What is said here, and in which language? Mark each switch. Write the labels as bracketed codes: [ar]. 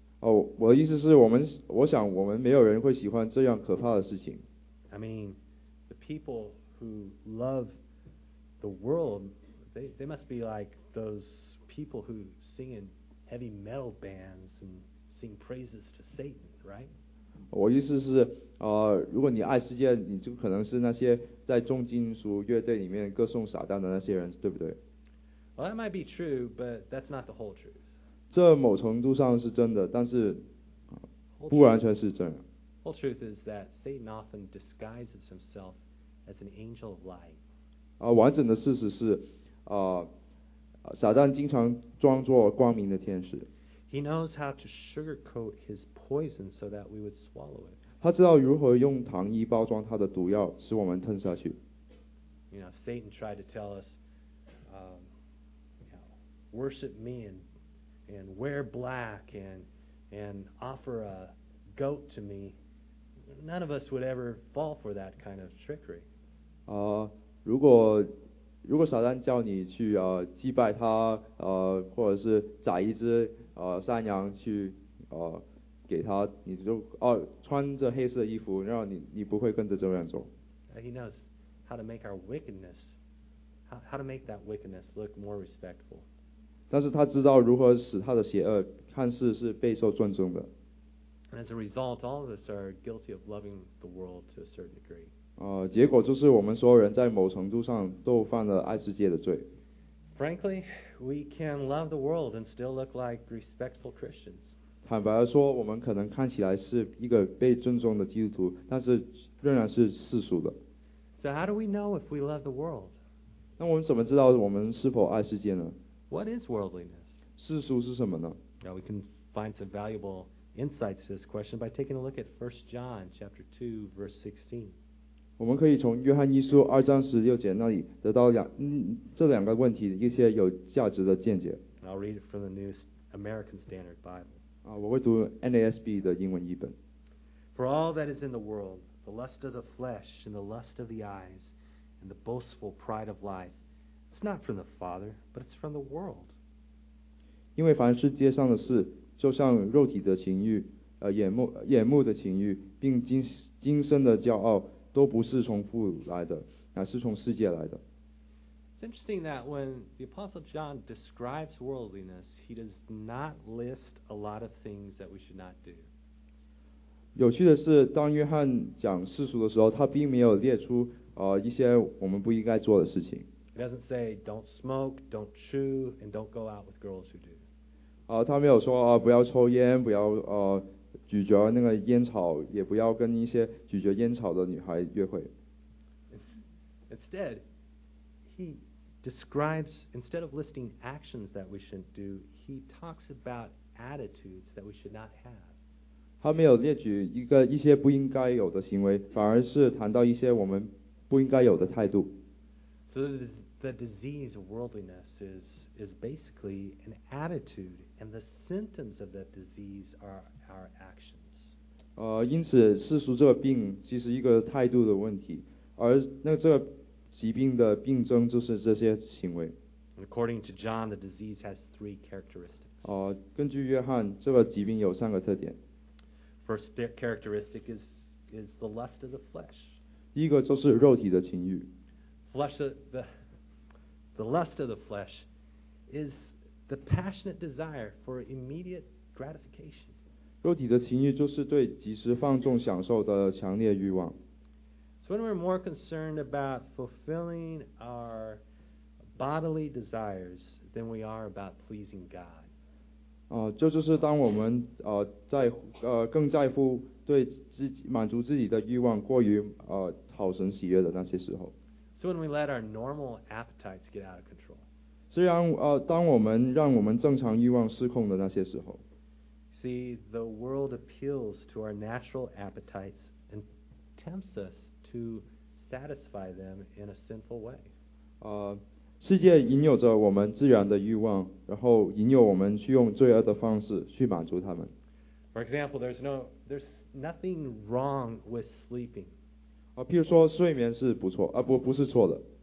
[zh] 我的意思是我想我们没有人会喜欢这样可怕的事情。 [en] I mean, the people who love the world, they must be like those people who sing in heavy metal bands and. Sing praises to Satan, right? [zh] 我意思是，如果你爱世界，你就可能是那些在重金属乐队里面歌颂撒旦的那些人，对不对？ [en] Well, that might be true, but that's not the whole truth. [zh] 这某程度上是真的，但是不完全是真的。 [en] Whole truth is that Satan often disguises himself as an angel of light. [zh] 完整的事实是，撒旦经常装作光明的天使。 [en] He knows how to sugarcoat his poison so that we would swallow it. [zh] 他知道如何用糖衣包装他的毒药，使我们吞下去。 [en] You know, Satan tried to tell us, you know, worship me and wear black and offer a goat to me. None of us would ever fall for that kind of trickery. [zh] 如果撒旦叫你去祭拜他，或者是宰一只。山羊去给他，你就穿着黑色衣服，然后你不会跟着这样做。 [en] He knows how to make our wickedness, how to make that wickedness look more respectful. [zh] 但是他知道如何使他的邪恶看似是备受尊重的。 [en] And as a result, all of us are guilty of loving the world to a certain degree. [zh] 结果就是我们所有人在某程度上都犯了爱世界的罪。 [en] Frankly, we can love the world and still look like respectful Christians. [zh] 坦白地说，我们可能看起来是一个被尊重的基督徒，但是仍然是世俗的。 [en] So how do we know if we love the world? [zh] 那我们怎么知道我们是否爱世界呢？ [en] What is worldliness? [zh] 世俗是什么呢？ [en] Now we can find some valuable insights to this question by taking a look at 1 John chapter 2, verse 16. [zh] 我们可以从约翰一书二章十六节那里得到这两个问题的一些有价值的见解。 [en] I'll read it from the New American Standard Bible. [zh] 我会读 NASB 的英文译本。 [en] For all that is in the world, the lust of the flesh and the lust of the eyes and the boastful pride of life, it's not from the Father, but it's from the world. [zh] 因为凡是街上的事，就像肉体的情欲、眼目的情欲，并今生的骄傲。都不是从父来的，乃是从世界来的。 [en] It's interesting that when the Apostle John describes worldliness, he does not list a lot of things that we should not do. [zh] 有趣的是，当约翰讲世俗的时候，他并没有列出一些我们不应该做的事情。 [en] He doesn't say don't smoke, don't chew, and don't go out with girls who do. [zh] 他没有说不要抽烟，不要咀嚼那个烟草，也不要跟一些咀嚼烟草的女孩约会。 [en] Instead, he describes, instead of listing actions that we shouldn't do, he talks about attitudes that we should not have. [zh] 他没有列举一些不应该有的行为，反而是谈到一些我们不应该有的态度。 [en] So the disease of worldliness is basically an attitude, and the symptoms of that disease are our actions. [zh] 因此世俗这个病其实一个态度的问题，而那这个疾病的病症就是这些行为。 [en] And according to John, the disease has three characteristics. [zh] 根据约翰，这个疾病有三个特点。 [en] First characteristic is the lust of the flesh. [zh] 第一个就是肉体的情欲。 [en] The lust of the flesh is The passionate desire for immediate gratification. [zh] 肉体的情欲就是对及时放纵享受的强烈欲望。 [en] So when we're more concerned about fulfilling our bodily desires than we are about pleasing God. [zh] 就是当我们更在乎对自己满足自己的欲望过于讨神喜悦的那些时候。 [en] So when we let our normal appetites get out of control. [zh] 虽然当我们让我们正常欲望失控的那些时候。 [en] See, the world appeals to our natural appetites and tempts us to satisfy them in a sinful way. [zh] 世界引诱着我们自然的欲望，然后引诱我们去用罪恶的方式去满足他们。 [en] For example, there's nothing wrong with sleeping. [zh] 譬如说睡眠是不错，不是错的。